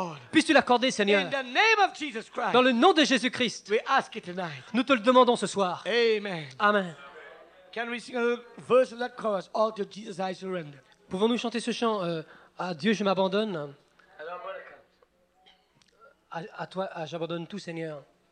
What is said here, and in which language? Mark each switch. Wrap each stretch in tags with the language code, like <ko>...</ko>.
<fr>Puisses-tu l'accorder, Seigneur, dans le nom de Jésus-Christ. Nous te le demandons ce soir. Amen.</fr> <en>Can we sing a verse of that chorus? All to Jesus I surrender.</en> <fr>Pouvons-nous chanter ce chant à Dieu je m'abandonne? À toi, j'abandonne tout, Seigneur.</fr>